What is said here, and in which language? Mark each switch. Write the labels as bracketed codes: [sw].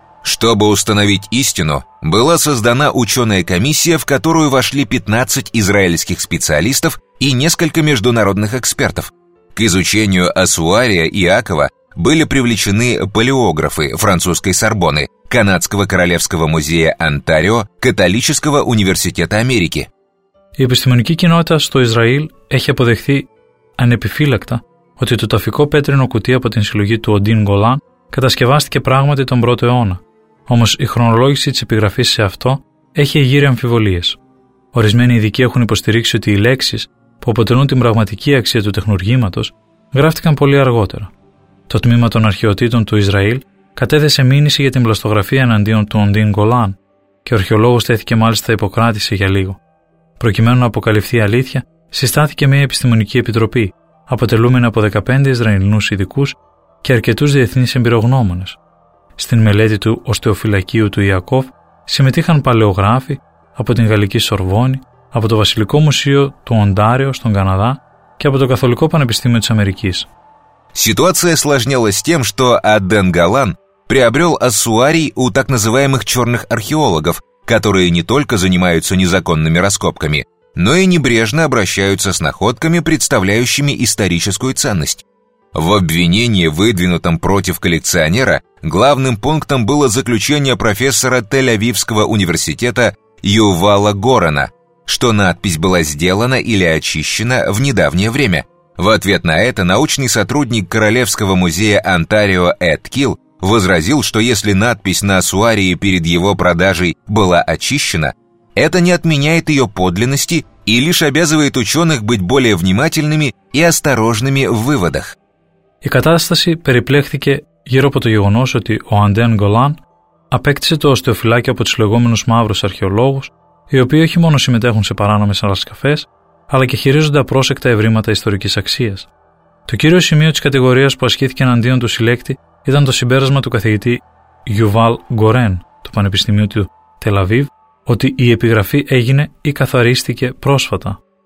[ru] Чтобы установить истину, была создана ученая комиссия, в которую вошли 15 израильских специалистов и несколько международных экспертов. К изучению ассуария Иакова были привлечены палеографы французской Сорбонны, Канадского королевского музея Онтарио, Католического университета Америки. [el] Η επιστημονική κοινότητα στο Ισραήλ έχει αποδεχθεί ανεπιφύλακτα ότι το ταφικό πέτρινο κουτί από την συλλογή του Οντίν Γκολάν κατασκευάστηκε πράγματι τον 1ο αιώνα. Όμως η χρονολόγηση της επιγραφής σε αυτό έχει εγείρει αμφιβολίες. Ορισμένοι ειδικοί έχουν υποστηρίξει ότι οι λέξεις που αποτελούν την πραγματική αξία του τεχνουργήματος γράφτηκαν πολύ αργότερα. Το τμήμα των αρχαιοτήτων του Ισραήλ κατέθεσε μήνυση για την πλαστογραφία εναντίον του Οντίν Γκολάν και ο αρχαιολόγος τέθηκε μάλιστα υποκράτηση για λίγο. Προκειμένου να αποκαλυφθεί η αλήθεια, συστάθηκε μια επιστημονική επιτροπή, αποτελούμενη από 15 Ισραηλινούς ειδικούς και αρκετούς διεθνείς εμπειρογνώμονες. Στην μελέτη του Οστεοφυλακίου του Ιακώβ συμμετείχαν παλαιογράφοι από την Γαλλική Σορβόνη, από το Βασιλικό Μουσείο του Οντάριο στον Καναδά και από το Καθολικό Πανεπιστήμιο της Αμερικής. [ru] Ситуация осложнялась тем, что Оден Голан приобрел ассуарий у так называемых черных археологов, которые не только занимаются незаконными раскопками, но и небрежно обращаются с находками, представляющими историческую ценность. В обвинении, выдвинутом против коллекционера, главным пунктом было заключение профессора Тель-Авивского университета Ювала Горана, что надпись была сделана или очищена в недавнее время. В ответ на это научный сотрудник Королевского музея Онтарио Эд Килл возразил, что если надпись на ассуарии перед его продажей была очищена, это не отменяет ее подлинности и лишь обязывает ученых быть более внимательными и осторожными в выводах. [el] Η κατάσταση περιπλέχθηκε γύρω από το γεγονός ότι ο Αντέν Γκολάν απέκτησε το οστεοφυλάκιο από τους λεγόμενους μαύρους αρχαιολόγους, οι οποίοι όχι μόνο συμμετέχουν σε παράνομες ανασκαφές, αλλά και χειρίζονται απρόσεκτα ευρήματα ιστορικής αξίας. Το κύριο σημείο της κατηγορίας που ασκήθηκε εναντίον του συλλέκτη ήταν το συμπέρασμα του καθηγητή Γιουβάλ Γκορέν του Πανεπιστημίου του Τελαβίβ ότι η επιγραφή έγινε ή καθαρίστηκε πρόσφατα.